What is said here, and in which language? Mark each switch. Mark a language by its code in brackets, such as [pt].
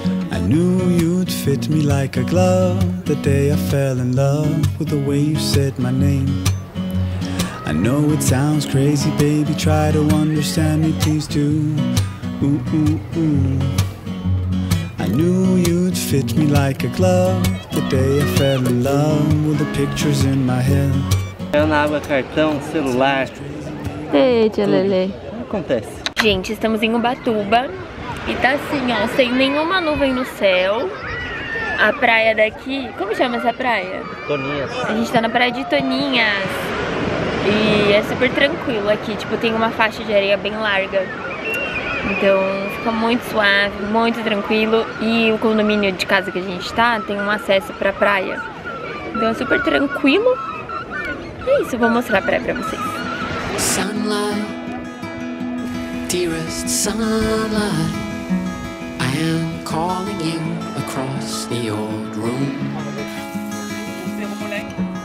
[en] I knew you'd fit me like a glove the day I fell in love with the way you said my name. I know it sounds crazy, baby, try to understand me, please do. Ooh, ooh, ooh. I knew you'd fit me like a glove the day I fell in love with the pictures in my head. [pt] Eu na água, cartão, celular. Ei, tia Lele. Acontece. Gente, estamos em Ubatuba e tá assim, ó, sem nenhuma nuvem no céu. A praia daqui, como chama essa praia? Toninhas. A gente tá na praia de Toninhas. E é super tranquilo aqui, tipo, tem uma faixa de areia bem larga. Então fica muito suave, muito tranquilo. E o condomínio de casa que a gente tá tem um acesso pra praia. Então é super tranquilo. E é isso, eu vou mostrar a praia pra vocês. [en] Sunlight, dearest sunlight, I am calling you across the old room.